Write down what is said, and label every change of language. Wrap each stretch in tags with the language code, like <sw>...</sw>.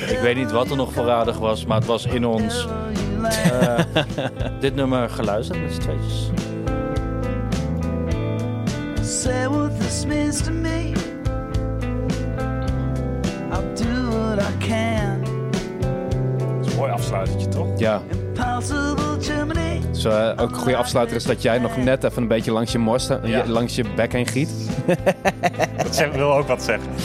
<nl>Ik weet niet wat er nog voorradig was, maar het was in ons. dit nummer geluisterd met z'n tweetjes.</nl> <en>Say what this means to me. I'll do what I can.</en> <nl>Dat is een mooi afsluitertje, toch? Ja. Impossible Germany. Zo, ook een goede afsluiter is dat jij nog net even een beetje langs je morst, ja, langs je bek heen giet. Dat zeg, wil ook wat zeggen.</nl>